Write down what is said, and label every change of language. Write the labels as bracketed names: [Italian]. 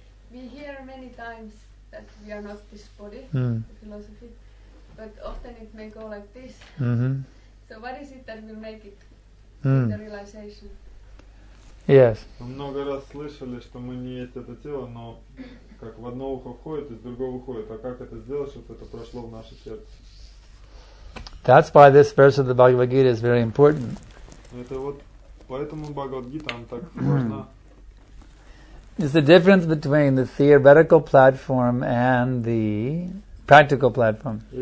[English] We hear many times that we are not this body, the philosophy, but often it may go like this. So what is it that will make it the realization? Yes. [Russian] Мы много раз слышали, что мы не есть это тело, но как в одно ухо входит, из другого выходит. А как это сделать, чтобы это прошло в наше сердце? [English] That's why this verse of the Bhagavad Gita is very important. [Russian] Это вот поэтому Бхагавад Гита так важна. [English] It's the difference between the theoretical platform and the practical platform.